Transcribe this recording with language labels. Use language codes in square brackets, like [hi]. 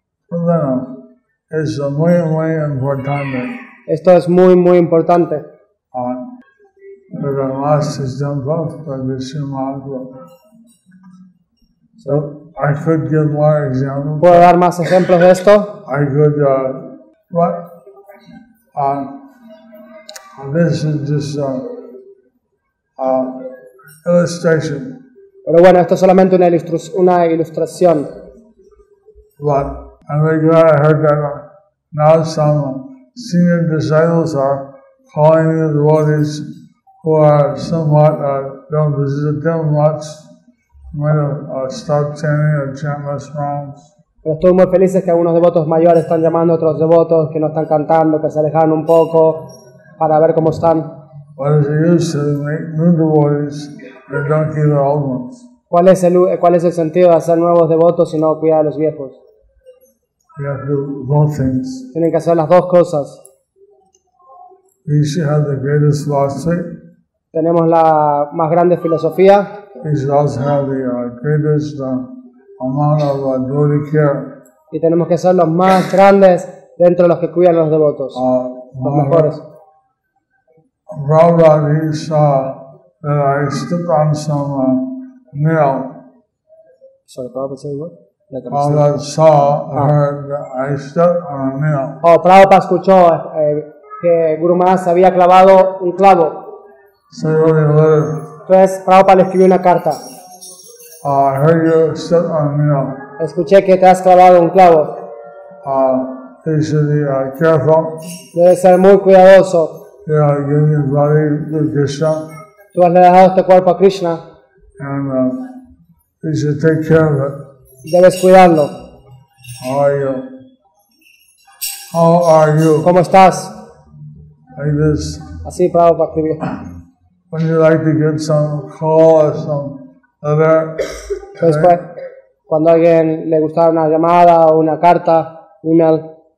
[es] Bueno, es muy, muy importante. Esto es muy, muy importante. Pero más es de un poco, pero es más de un poco. [en] I could give more examples. [es] ¿Puedo dar más ejemplos de esto? [en] I could, but, this is just an illustration. [es] Pero bueno, esto es solamente una ilustración. [en] But I'm very glad I heard that now some senior disciples are calling the devotees who are somewhat don't visit them much, might have stopped chanting or chant less rounds. [es] Pero estoy muy feliz que algunos devotos mayores están llamando a otros devotos que no están cantando, que se alejaron un poco para ver cómo están. [en] What is the use to make new devotees? They don't keep the old ones. [es] ¿Cuál es el sentido de hacer nuevos devotos si no cuidar a los viejos? [en] You have to do both things. [es] Tienen que hacer las dos cosas. [en] We should have the greatest philosophy. [es] Tenemos la más grande filosofía. [en] We should also have the greatest amount of devotee care. [es] Y tenemos que ser los más grandes dentro de los que cuidan a los devotos. Los mejores. [en] Prabhupada, he saw that I stood on some nail. Sorry, Prabhupada, say what? Prabhupada heard that I stood on a nail. [es] Oh, Prabhupada escuchó que Guru Maharaj había clavado un clavo. [en] So he wrote a letter. [es] Entonces, Prabhupada le escribió una carta. [en] I heard you stood on a nail. [es] Escuché que te has clavado un clavo. [en] You should be careful. [es] Debes ser muy cuidadoso. [en] Yeah, give your body to Krishna. [es] Tú has dejado este cuerpo a Krishna. [en] And you should take care of it. [es] Debes cuidarlo. [en] How are you? [es] ¿Cómo estás? [en] Like this. [es] Así, Prabhupada escribió. [en] Would you like to get some call or some letter? [es] Después, cuando a alguien le gustara una llamada o una carta, email.